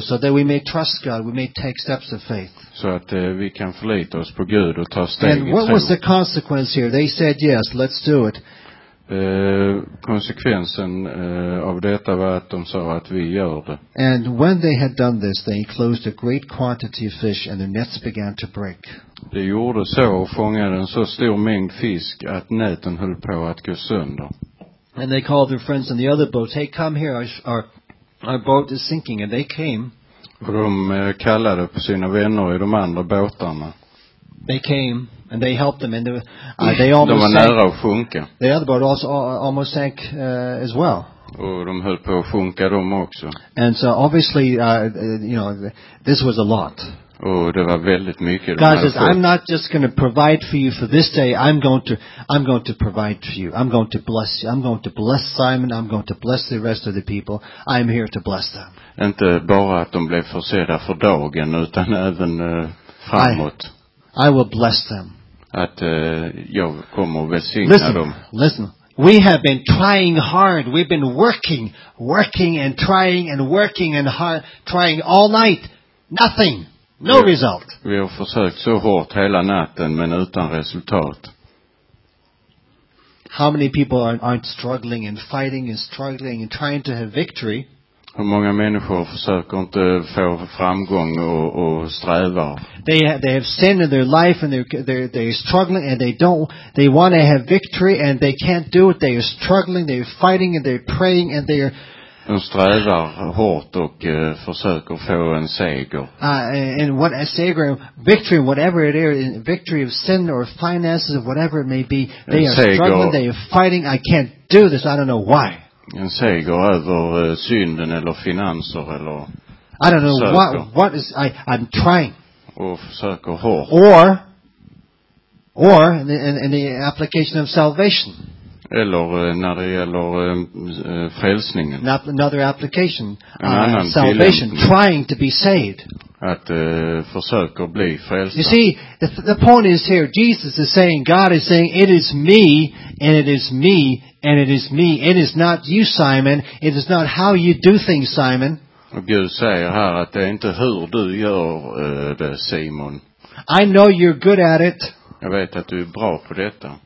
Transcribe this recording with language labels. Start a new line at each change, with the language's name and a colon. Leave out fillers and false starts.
English: So that we may trust God, we may take steps of faith.
Swedish: Så att vi kan förlita oss på Gud och ta steg i tro.
English: And what was the consequence here? They said yes, let's do it.
Swedish: Konsekvensen av detta var att de sa att vi gör det.
English: And when they had done this, they closed a great quantity of fish and their nets began to break.
Swedish: De gjorde så och fångade en så stor mängd fisk att näten höll på att gå sönder.
English: And they called their friends in the other boat, "Hey, come here, our boat is sinking," and they came.
Swedish: Och de kallade på sina vänner i de andra båtarna.
English: They came and they helped them, and they almost sank.
Swedish: De var nära att sjunka.
English: The other boat also almost sank as well.
Swedish: Och de höll på att sjunka de också.
English: And so obviously, you know, this was a lot.
Swedish: Och det var väldigt mycket.
English: God says, "I'm not just going to provide for you for this day. I'm going to provide for you. I'm going to bless you. I'm going to bless Simon. I'm going to bless the rest of the people. I'm here to bless them."
Swedish: Inte bara att de blev försedda för dagen, utan även framåt.
English: I will bless them.
Swedish: Att jag kommer att välsigna dem.
English: Listen. We have been trying hard. We've been working and trying and working and hard, trying all night. Nothing. No result.
Swedish: Vi har försökt så hårt hela natten men utan resultat.
English: How many people aren't struggling and fighting and struggling and trying to have victory?
Swedish: Hur många människor försöker inte få framgång och strävar?
English: They have sin in their life and they're struggling and they want to have victory and they can't do it. They are struggling, they're fighting and they're praying and they're
Swedish: de strävar hårt och försöker få en seger.
English: And what a seger, victory, whatever it is, victory of sin or finances or whatever it may be, they are struggling, they are fighting. I can't do this. I don't know why.
Swedish: En seger över synden eller finanser eller.
English: I don't know what is. I'm trying.
Swedish: Och försöker hårt.
English: Or in the application of salvation.
Swedish: Eller när det gäller frälsningen.
English: Not another application. Salvation. Trying to be saved.
Swedish: Att försöka bli frälst.
English: You see, the point is here. Jesus is saying, God is saying, it is me, and it is me, and it is me. It is not you, Simon. It is not how you do things, Simon.
Swedish: Och Gud säger här att det är inte hur du gör det, Simon.
English: I know you're good at it.
Swedish: Jag vet att du är bra på detta.